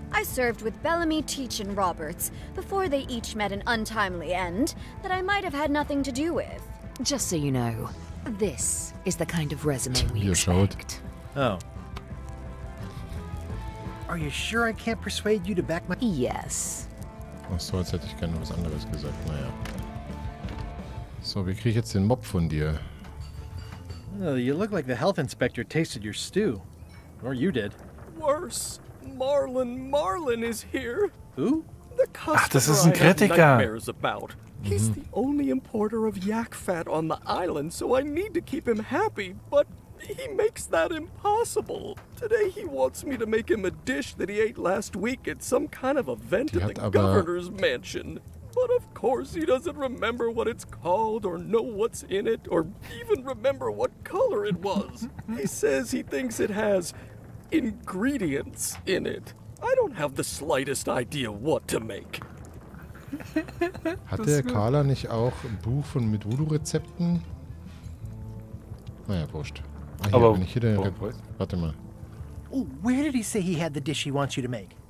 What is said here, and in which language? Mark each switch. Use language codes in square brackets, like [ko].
[en] I served with Bellamy, Teach, and Roberts before they each met an untimely end that I might have had nothing to do with. Just so you know. This is the kind of resume we expect. Oh. Are you sure I can't persuade you to back my... Yes. [de] Ach so, jetzt hätte ich gerne was anderes gesagt. Naja. So, wie kriege ich jetzt den Mob von dir? [en] Oh, you look like the health inspector tasted your stew. Or you did. Worse. Marlin is here. Who? The customer I have nightmares about. He's the only importer of yak fat on the island, so I need to keep him happy, but he makes that impossible. Today he wants me to make him a dish that he ate last week at some kind of event at the governor's mansion. But of course he doesn't remember what it's called or know what's in it or even remember what color it was. He says he thinks it has ingredients in it. I don't have the slightest idea what to make. [de] Hatte Carla nicht auch ein Buch von mit Voodoo-Rezepten? Naja, wurscht. Aber wenn ich hier den Rezept. Warte mal. [en] Where did he say he had the dish he wants you to make?